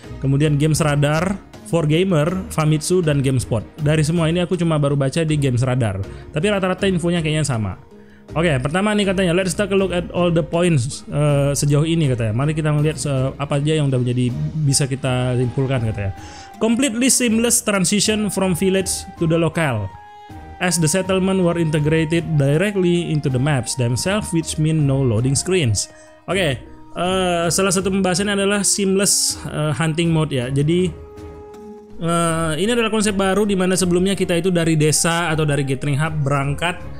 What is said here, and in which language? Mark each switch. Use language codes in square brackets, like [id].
[id] Kemudian Games Radar, 4Gamer, Famitsu dan GameSpot. Dari semua ini aku cuma baru baca di Games Radar. Tapi rata-rata infonya kayaknya sama. Oke, pertama nih katanya, [en] let's take a look at all the points [id] sejauh ini katanya. Mari kita melihat apa aja yang udah menjadi bisa kita simpulkan katanya. [en] Completely seamless transition from village to the locale, as the settlement were integrated directly into the maps themselves, which mean no loading screens. [id] Oke, salah satu pembahasannya adalah seamless hunting mode ya. Jadi ini adalah konsep baru di mana sebelumnya kita itu dari desa atau dari gathering hub berangkat.